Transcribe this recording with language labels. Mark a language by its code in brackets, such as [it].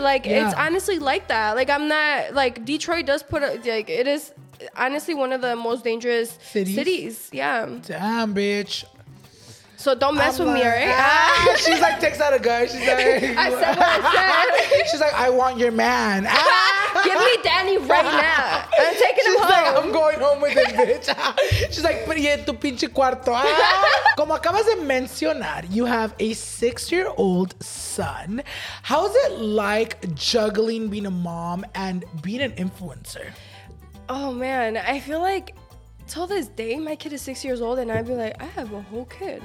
[en] Like, it's honestly like that. Like, I'm not, like, Detroit does put, like, it is honestly one of the most dangerous cities. Yeah. Damn, bitch. So don't mess with me, all right? She's like, takes out a gun. She's like, I said what I said. She's like, I want your man. Give me Danny right now. I'm taking She's him home. She's like, I'm going home with this bitch. She's like, [es] pero en tu pinche cuarto. Como acabas de mencionar, [en] you have a six-year-old son. How is it like juggling being a mom and being an influencer? Oh, man. I feel like, till this day, my kid is 6 years old, and I'd be like, I have a whole kid.